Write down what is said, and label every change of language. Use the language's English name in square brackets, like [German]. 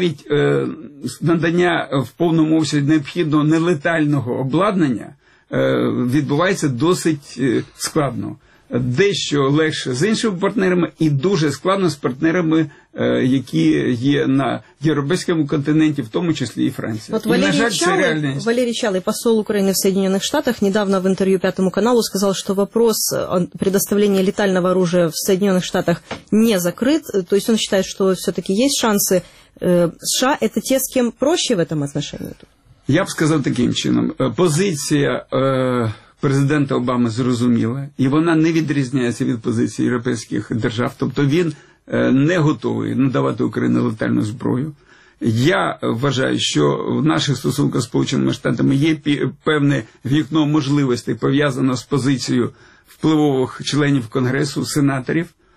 [Ukrainian] Навіть надання в повному обсязі необхідного нелетального обладнання відбувається досить складно. Дещо легше з іншими партнерами і дуже складно з партнерами, які є на європейському континенті, в тому числі і Франція. От Валерій, і, на жаль, Чали, це реальність. [Russian] Валерій Чали, [Ukrainian] посол України в [Russian] Соединенных Штатах, недавно в интервью Пятому каналу сказал, что вопрос о предоставлении летального оружия в Соединенных Штатах не закрыт. То есть он считает, что все-таки есть шансы. США – это те, с кем проще в этом отношении? [Ukrainian] Я б сказав таким чином. Позиція президента Обами зрозуміла, і вона не відрізняється від позиції європейських держав. Тобто він не готовий надавати Україні летальну зброю. Я вважаю, що в наших стосунках з Сполученими Штатами є певне вікно можливостей, пов'язане з позицією впливових членів Конгресу, сенаторів.